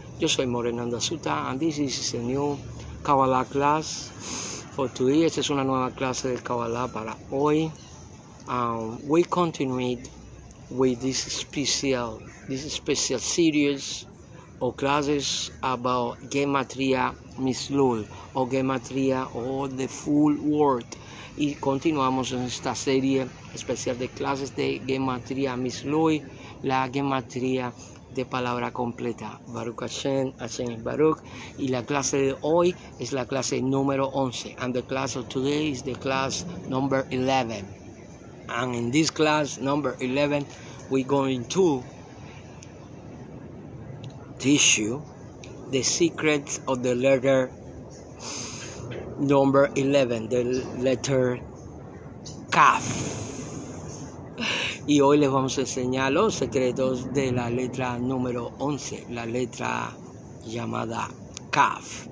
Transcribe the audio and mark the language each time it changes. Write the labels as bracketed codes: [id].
[es] Yo soy [en] Moreh Nanda Suta, and this is a new Kabbalah class for today. [es] Esta es una nueva clase del Kabbalah para hoy. [en] We continue with this special series or classes about Gematria Mislul o Gematria o the full word. [es] Y continuamos en esta serie especial de clases de Gematria Mislul, la Gematria de palabra completa. [he] Baruch Hashem, Hashem es Baruch. [es] Y la clase de hoy es la clase número 11. [en] And the class of today is the class number 11. And in this class number 11, we're going to teach you the secret of the letter number 11, the letter Kaf. [es] Y hoy les vamos a enseñar los secretos de la letra número 11, la letra llamada Kaf.